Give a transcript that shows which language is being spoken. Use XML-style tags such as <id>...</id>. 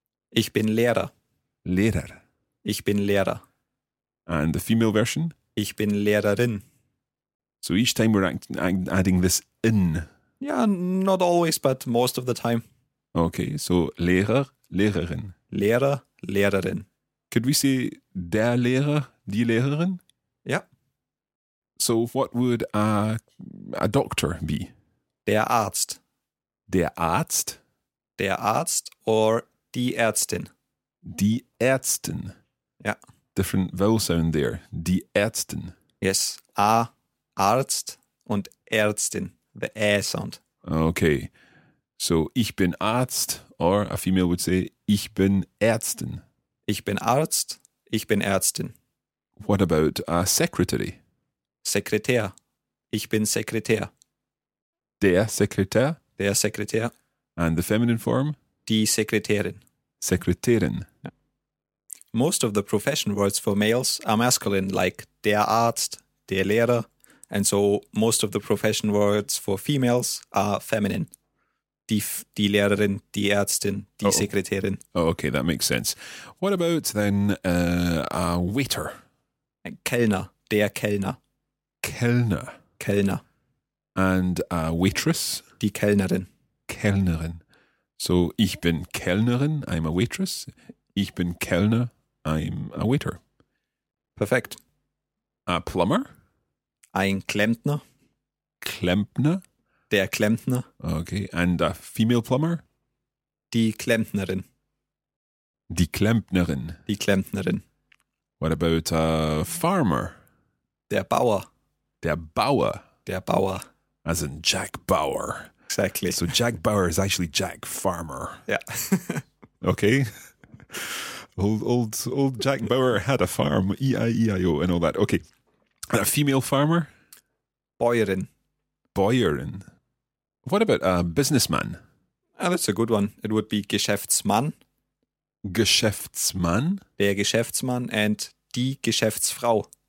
<de>Ich bin Lehrer. Lehrer. Ich bin Lehrer.</de> <en>And the female version?</en> <de>Ich bin Lehrerin.</de> <en>So each time we're adding this in. Yeah, not always, but most of the time. Okay, so Lehrer, Lehrerin.</en> <de>Lehrer, Lehrerin.</de> <en>Could we say der Lehrer, die Lehrerin? Yeah. So what would a doctor be?</en> <de>Der Arzt. Der Arzt? Der Arzt or die Ärztin. Die Ärztin.</de> <en>Yeah. Different vowel sound there. Die Ärztin. Yes, A, Arzt und Ärztin. The A sound. Okay. So,</en> <de>ich bin Arzt,</de> <en>or a female would say,</en> <de>ich bin Ärztin. Ich bin Arzt, ich bin Ärztin.</de> <en>What about a secretary?</en> <de>Sekretär. Ich bin Sekretär. Der Sekretär? Der Sekretär.</de> <en>And the feminine form?</en> <de>Die Sekretärin. Sekretärin. Yeah.</de> <en>Most of the profession words for males are masculine, like der Arzt, der Lehrer. And so most of the profession words for females are feminine.</en> <de>Die Lehrerin, die Ärztin, die Sekretärin.</de> <en>Oh, okay, that makes sense. What about then a waiter?</en> <de>Kellner, der Kellner. Kellner. Kellner.</de> <en>And a waitress?</en> <de>Die Kellnerin.</de> <en>Kellnerin. So</en> <de>ich bin Kellnerin,</de> <en>I'm a waitress.</en> <de>Ich bin Kellner,</de> <en>I'm a waiter. Perfect. A plumber?</en> <de>Ein Klempner. Klempner? Der Klempner.</de> <en>Okay, and a female plumber?</en> <de>Die Klempnerin. Die Klempnerin. Die Klempnerin.</de> <en>What about a farmer?</en> <de>Der Bauer. Der Bauer. Der Bauer.</de> <en>As in Jack Bauer. Exactly. So Jack Bauer is actually Jack Farmer. Yeah. Okay. Old Jack Bauer had a farm, E-I-E-I-O and all that. Okay. A female farmer?</en> <de>Bäuerin. Bäuerin.</de> <en>What about a businessman? Oh, that's a good one. It would be Geschäftsmann.</en> <de>Geschäftsmann? Der Geschäftsmann and die Geschäftsfrau.</de>